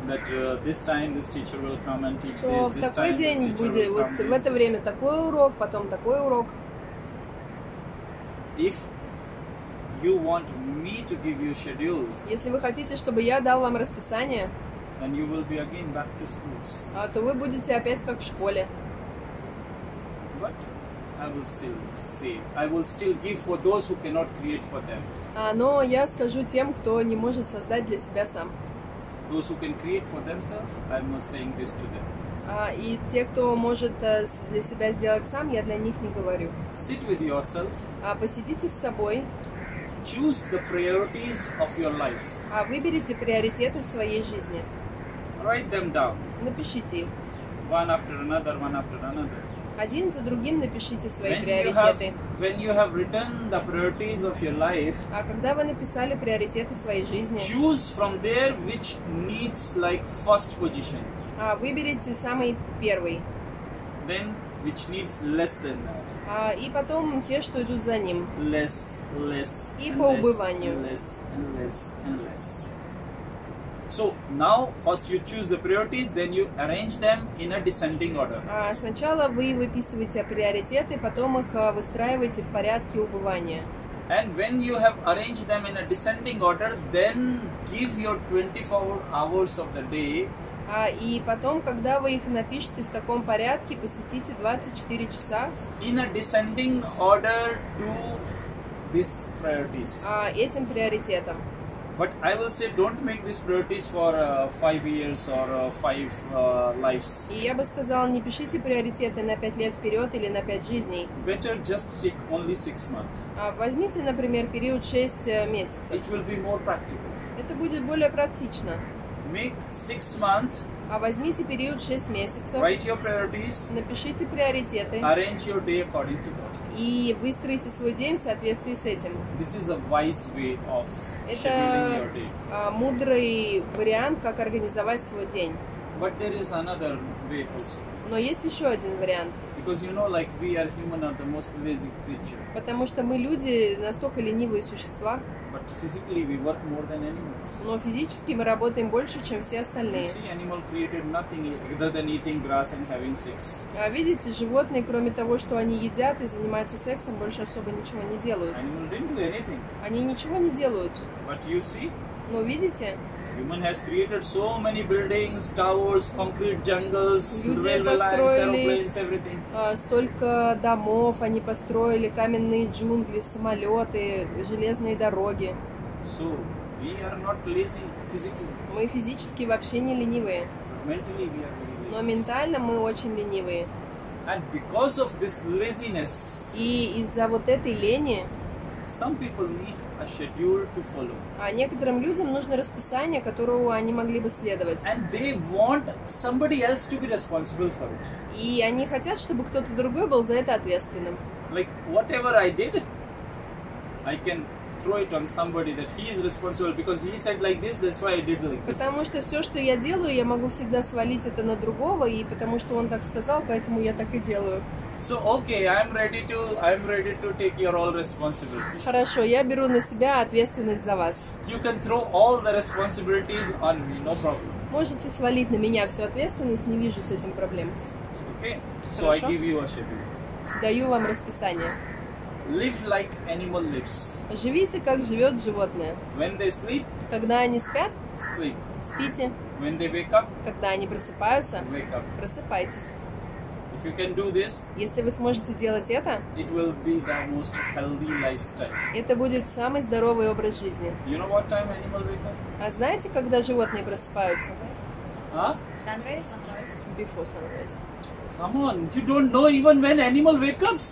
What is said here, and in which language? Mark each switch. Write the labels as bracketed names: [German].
[English] That this time this teacher will come and teach this. [Russian] Что в такой день будет? Вот в это время такой урок, потом такой урок. [English] If you want me to give you schedule. [Russian] Если вы хотите, чтобы я дал вам расписание. [English] Then you will be again back to schools. [Russian] А то вы будете опять как в школе. [English] But I will still say, I will still give for those who cannot create for them. [Russian] Но я скажу тем, кто не может создать для себя сам. [English] Those who can create for themselves, I'm not saying this to them. [Russian] И те, кто может для себя сделать сам, я для них не говорю. [English] Sit with yourself. [Russian] Посидите с собой. [English] Choose the priorities of your life. [Russian] Выберите приоритеты в своей жизни. [English] Write them down. [Russian] Напишите их. [English] One after another. [Russian] Один за другим напишите свои приоритеты. А когда вы написали приоритеты своей жизни, [English] choose from there which needs like first position. [Russian] Выберите самый первый. [English] Then which needs less than that. [Russian] И потом те, что идут за ним. [English] Less. [Russian] И по убыванию. [English] Less. So now first you choose the priorities, then you arrange them in a descending order. [Russian] Сначала вы выписываете приоритеты, потом их выстраиваете в порядке убывания. [English] And when you have arranged them in a descending order, then give your 24 hours of the day. [Russian] И потом, когда вы их напишете в таком порядке, посвятите 24 часа. [English] In a descending order to these priorities. [Russian] Этим приоритетам. [English] But I will say, don't make these priorities for 5 years or 5 lives. [Russian] И я бы сказала, не пишите приоритеты на 5 лет вперед или на 5 жизней. [English] Better just take only 6 months. [Russian] Возьмите, например, период 6 месяцев. [English] It will be more practical. [Russian] Это будет более практично. [English] Make 6 months. [Russian] Возьмите период 6 месяцев. [English] Write your priorities. [Russian] Напишите приоритеты. [English] Arrange your day according to that. [Russian] И выстроите свой день в соответствии с этим. [English] This is a wise way of. [Russian] Это мудрый вариант, как организовать свой день. [English] But there is another way also. [Russian] Но есть еще один вариант. [English] Because you know, like we are human are the most lazy creature. [Russian] Потому что мы люди настолько ленивые существа. [English] But physically we work more than animals. [Russian] Но физически мы работаем больше, чем все остальные. [English] You see, animal created nothing other than eating grass and having sex. [Russian] А видите, животные, кроме того, что они едят и занимаются сексом, больше особо ничего не делают. [English] Animals didn't do anything. [Russian] Они ничего не делают. [English] But you see. [Russian] Но видите. [English] Human has created so many buildings, towers, concrete jungles, [Russian] люди [English] railway [Russian] построили, [English] lines, airplanes, everything. [Russian] Столько домов они построили, каменные джунгли, самолеты, железные дороги. [English] So we are not lazy physically. [Russian] Мы физически вообще не ленивые. [English] Mentally we are very lazy. [Russian] Но ментально мы очень ленивые. [English] And because of this laziness. [Russian] И из-за вот этой лени. [English] Some people need a schedule to follow. [Russian] А некоторым людям нужно расписание, которого они могли бы следовать. [English] And they want somebody else to be responsible for it. [Russian] И они хотят, чтобы кто-то другой был за это ответственным. [English] Like whatever I did, I can throw it on somebody that he is responsible because he said like this, that's why I did like this. [Russian] Потому что все, что я делаю, я могу всегда свалить это на другого, и потому что он так сказал, поэтому я так и делаю. [English] So okay, I'm ready to take your all responsibilities. [Russian] Хорошо, я беру на себя ответственность за вас. [English] You can throw all the responsibilities on me, no problem. [Russian] Можете свалить на меня всю ответственность, не вижу с этим проблем. [English] Okay. [Russian] Хорошо. [English] So I give you a schedule. [Russian] Даю вам расписание. [English] Live like animal lives. [Russian] Живите как живет животное. [English] When they sleep. [Russian] Когда они спят. [English] Sleep. [Russian] Спите. [English] When they wake up. [Russian] Когда они просыпаются. [English] Wake up. [Russian] Просыпайтесь. [English] If you can do this, [Russian] если вы сможете делать это, [English] it will be the most healthy lifestyle. [Russian] Это будет самый здоровый образ жизни. [English] You know what time animal wake up? [Russian] А знаете, когда животные просыпаются? [English] Sunrise. Before sunrise. Come on, you don't know even when animal wake up.